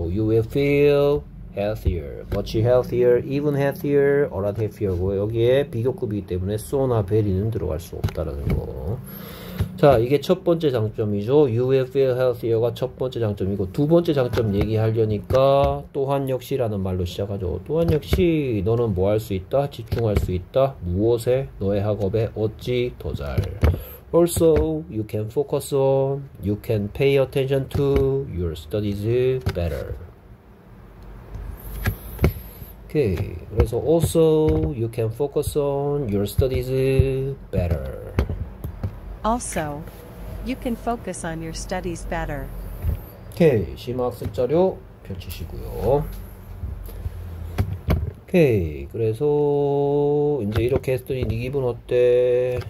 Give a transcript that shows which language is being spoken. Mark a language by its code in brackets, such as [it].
[en] You will feel healthier, much healthier, even healthier, a lot healthier고, [ko] 여기에 비교급이기 때문에 so나 very는 들어갈 수 없다라는 거. 자, 이게 첫 번째 장점이죠. [en] You will feel healthier [ko] 가 첫 번째 장점이고, 두 번째 장점 얘기하려니까 또한 역시라는 말로 시작하죠. 또한 역시 너는 뭐 할 수 있다? 집중할 수 있다? 무엇에? 너의 학업에 어찌 더 잘? [en] Also, you can focus on, you can pay attention to your studies better. Okay. [ko] 그래서 [en] also you can focus on your studies better. Also, you can focus on your studies better. Okay. [ko] 심화학습 자료 펼치시고요. [en] Okay. [ko] 그래서 이제 이렇게 했더니 네 기분 어때?